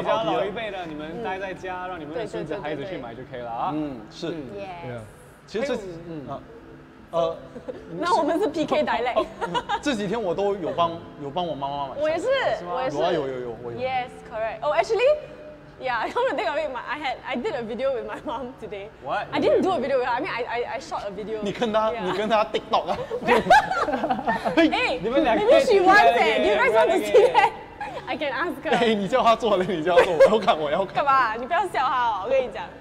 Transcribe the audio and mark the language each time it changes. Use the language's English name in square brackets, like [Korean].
[Chinese] 比较老一辈的，你们待在家，让你们的孙子孩子去买就可以了啊。是。 [English] Yes. [Chinese] 其实这，那我们是 PK 代累。这几天我都有帮我妈妈买。我也是，我也是。有，我有。 [English] Yes, correct. Oh, actually. Yeah, I come to think of it, I did a video with my mom today. What? I didn't do a video with her. I mean, I shot a video. [Chinese] 你跟她 TikTok 啊? [English] Hey, maybe she wants it. Do you guys want to see that? I can ask her. [Chinese] 你叫她做了，你叫她做，我要看。干嘛？你不要笑她哦，我跟你讲。